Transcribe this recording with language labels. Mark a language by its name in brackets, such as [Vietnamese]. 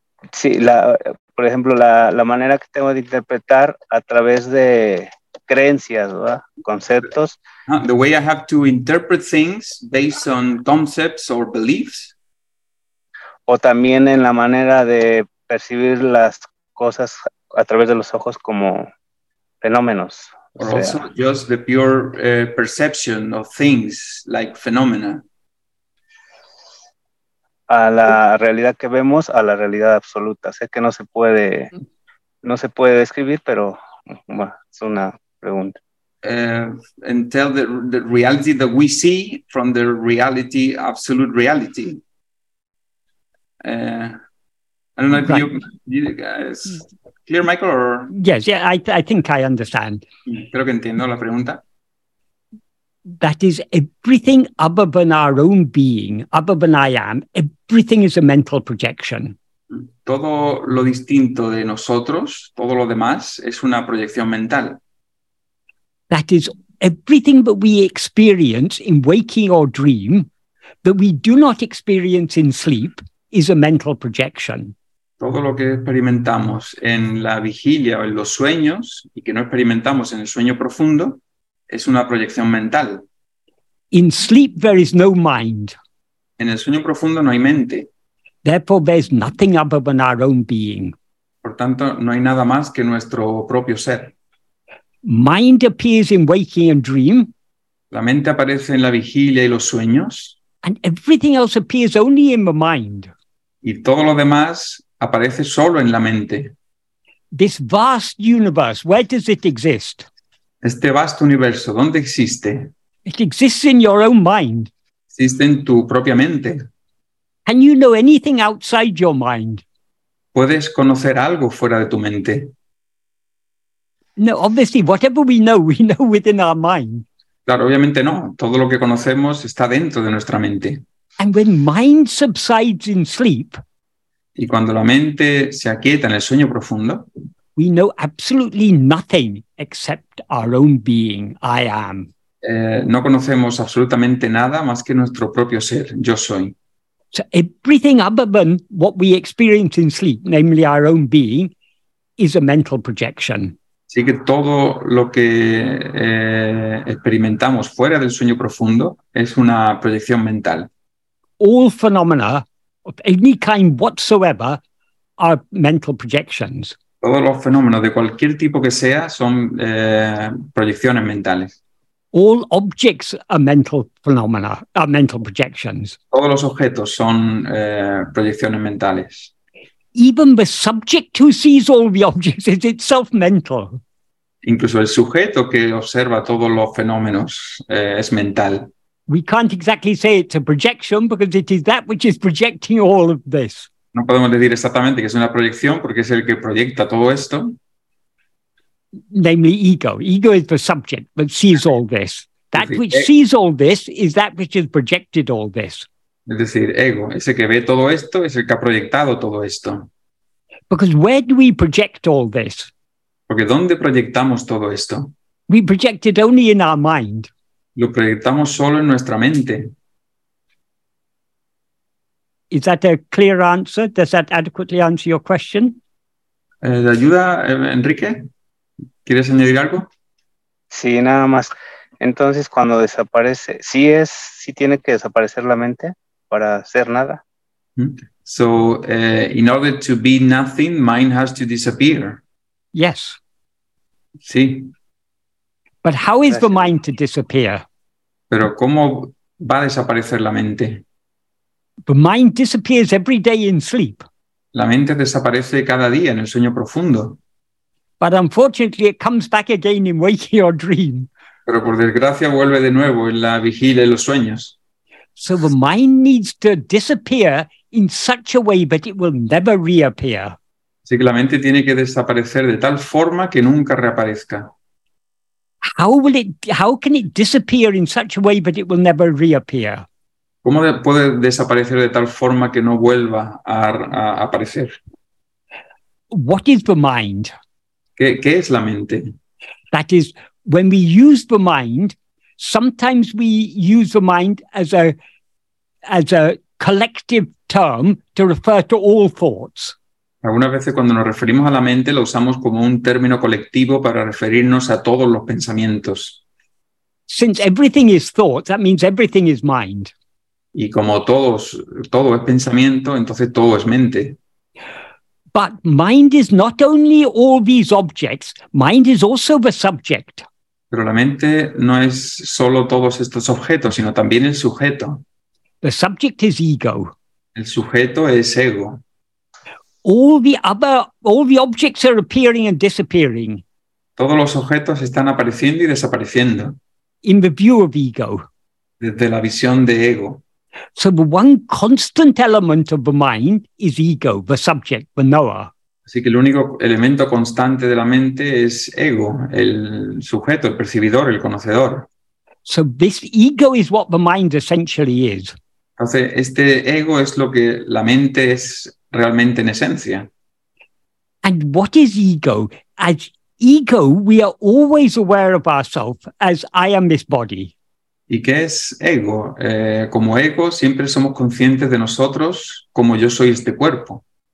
[Spanish] Sí, por ejemplo, la manera que tengo de interpretar a través de creencias, ¿verdad? Conceptos. [English] The way I have to interpret things based on concepts or beliefs. [Spanish] o también en la manera de percibir las cosas a través de los ojos como fenómenos. [English] Or also just the pure perception of things like phenomena. [Spanish] A la realidad que vemos, a la realidad absoluta. Sé que no se puede describir, pero bueno, es una pregunta. [English] And tell the reality that we see from the reality, absolute reality. I don't know if you guys clear, Michael, or... Yes, yeah, I think I understand. [Spanish] Creo que entiendo la pregunta. [English] That is, everything other than our own being, other than I am, everything is a mental projection. [Spanish] Todo lo distinto de nosotros, todo lo demás, es una proyección mental. [English] That is, everything that we experience in waking or dream, that we do not experience in sleep, is a mental projection. [Spanish] Todo lo que experimentamos en la vigilia o en los sueños, y que no experimentamos en el sueño profundo, es una proyección mental. [English] In sleep there is no mind. [Spanish] En el sueño profundo no hay mente. [English] Therefore there is nothing other than our own being. [Spanish] Por tanto, no hay nada más que nuestro propio ser. [English] Mind appears in waking and dream. [Spanish] La mente aparece en la vigilia y los sueños. [English] And everything else appears only in the mind. [Spanish] Y todo lo demás aparece solo en la mente. [English] This vast universe, where does it exist? [Spanish] Este vasto universo, ¿dónde existe? [English] It exists in your own mind. [Spanish] Existe en tu propia mente. [English] Can you know anything outside your mind? [Spanish] ¿Puedes conocer algo fuera de tu mente? [English] No, obviously, whatever we know within our mind. [Spanish] Claro, obviamente no. Todo lo que conocemos está dentro de nuestra mente. [English] And when mind subsides in sleep, [Spanish] y cuando la mente se aquieta en el sueño profundo, [English] we know absolutely nothing except our own being, I am. [Spanish] No conocemos absolutamente nada más que nuestro propio ser, yo soy. [English] So everything other than what we experience in sleep, namely our own being, is a mental projection. [Spanish] Así que todo lo que experimentamos fuera del sueño profundo es una proyección mental. [English] All phenomena of any kind whatsoever are mental projections. [Spanish] Todos los fenómenos de cualquier tipo que sea son proyecciones mentales. [English] All objects are mental phenomena, are mental projections. [Spanish] Todos los objetos son proyecciones mentales. [English] Even the subject who sees all the objects is itself mental. [Spanish] Incluso el sujeto que observa todos los fenómenos es mental. [English] We can't exactly say it's a projection because it is that which is projecting all of this. [Spanish] No podemos decir exactamente que es una proyección porque es el que proyecta todo esto. [English] Namely, ego. Ego is the subject that sees all this. That which sees all this is that which has projected all this. [Spanish] Es decir, ego. Ese que ve todo esto es el que ha proyectado todo esto. [English] Because where do we project all this? [Spanish] Porque ¿dónde proyectamos todo esto? [English] We project it only in our mind. [Spanish] Lo proyectamos solo en nuestra mente. [English] Is that a clear answer? Does that adequately answer your question? [Spanish] ¿De ayuda, Enrique? ¿Quieres añadir algo? Sí, nada más. Entonces, cuando desaparece, ¿sí tiene que desaparecer la mente para ser nada? [English] So, in order to be nothing, mind has to disappear. Yes. [Spanish] Sí. [English] But how is the mind to disappear? [Spanish] Pero ¿cómo va a desaparecer la mente? [English] The mind disappears every day in sleep. [Spanish] La mente desaparece cada día en el sueño profundo. [English] But unfortunately, it comes back again in waking or dream. [Spanish] Pero por desgracia vuelve de nuevo en la vigilia y los sueños. [English] So the mind needs to disappear in such a way that it will never reappear. [Spanish] Así que la mente tiene que desaparecer de tal forma que nunca reaparezca. [English] How can it disappear in such a way that it will never reappear? [Spanish] ¿Cómo puede desaparecer de tal forma que no vuelva a aparecer? [English] What is the mind? [Spanish] ¿Qué es la mente? [English] That is, when we use the mind, sometimes we use the mind as a collective term to refer to all thoughts. [Spanish] Algunas veces cuando nos referimos a la mente la usamos como un término colectivo para referirnos a todos los pensamientos. [English] Since everything is thought, that means everything is mind. [Spanish] Y como todo es pensamiento, entonces todo es mente. [English] But mind is not only all these objects, mind is also the subject. [Spanish] Pero la mente no es solo todos estos objetos, sino también el sujeto. [English] The subject is ego. [Spanish] El sujeto es ego. [English] All the objects are appearing and disappearing. [Spanish] Todos los objetos están apareciendo y desapareciendo. [English] In the view of ego. [Spanish] Desde la visión de ego. [English] So the one constant element of the mind is ego, the subject, the knower. [Spanish] Así que el único elemento constante de la mente es ego, el sujeto, el percibidor, el conocedor. [English] So this ego is what the mind essentially is. [Spanish] Entonces, este ego es lo que la mente es realmente en esencia. [English] And what is ego? As ego, we are always aware of ourselves as I am this body. [Spanish] ¿Y qué es ego? Como ego, siempre somos conscientes de nosotros como yo soy este cuerpo.